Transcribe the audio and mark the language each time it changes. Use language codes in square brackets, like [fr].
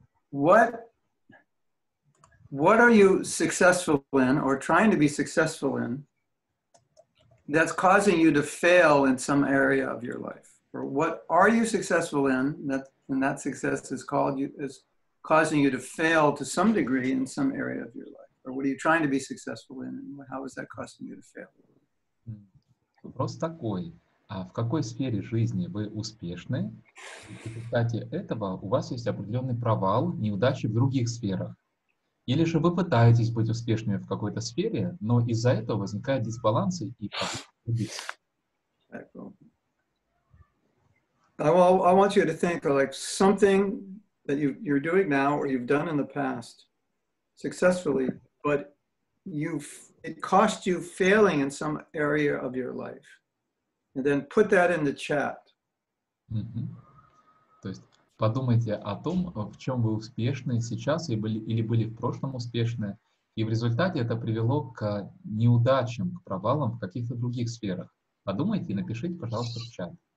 [en] What are you successful in or trying to be successful in that's causing you to fail in some area of your life? Or what are you successful in that and that success is causing you to fail to some degree in some area of your life? Or what are you trying to be successful in and how is that causing you to fail? [ru] Вопрос такой. А в какой сфере жизни вы успешны? В результате этого у вас есть определенный провал, неудачи в других сферах. Или же вы пытаетесь быть успешными в какой-то сфере, но из-за этого возникает дисбаланс и [en] I want you to think of like something that you're doing now or you've done in the past successfully, but it cost you failing in some area of your life. And then put that in the chat. Mm-hmm. [ru] То есть подумайте о том, в чем вы успешны сейчас или были в прошлом успешны, и в результате это привело к неудачам, к провалам в каких-то других сферах. Подумайте и напишите, пожалуйста, в чат.